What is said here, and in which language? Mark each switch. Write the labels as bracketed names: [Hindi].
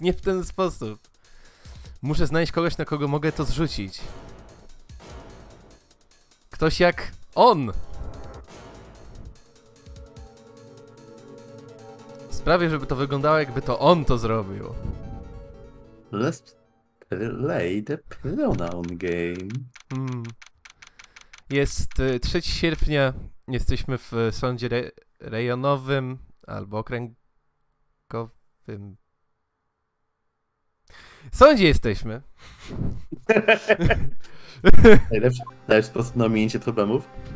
[Polish] Nie w ten sposób. Muszę znaleźć kogoś, na kogo mogę to zrzucić. Ktoś jak on. Sprawię, żeby to wyglądało, jakby to on to zrobił. [English] Let's play the pronoun game. [Polish] Jest 3 sierpnia. Jesteśmy w sądzie rejonowym albo okręgowym. Sądzie jesteśmy. Najlepszy sposób na ominięcie problemów.